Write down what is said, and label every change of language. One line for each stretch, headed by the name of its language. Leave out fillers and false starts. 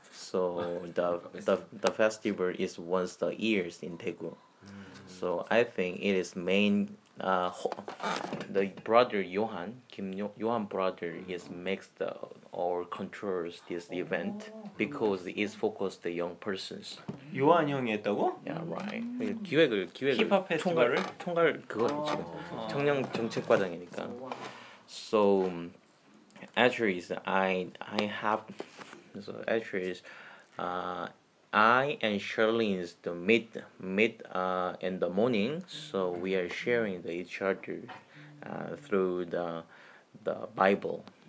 English: So the festival is once a year in Daegu. So I think it is main the brother Johan, Kim Johan brother is makes the or controls this event because it's focused the young persons.
Korean: 요한 형이 했다고?
English: Yeah, right.
Korean: 기획을 힙합 페스티벌을 통과를 그거 지금 청년 정책 과장이니까.
English: So actually is I have so actually is I and Charlene is to meet in the morning, so we are sharing the each other through the Bible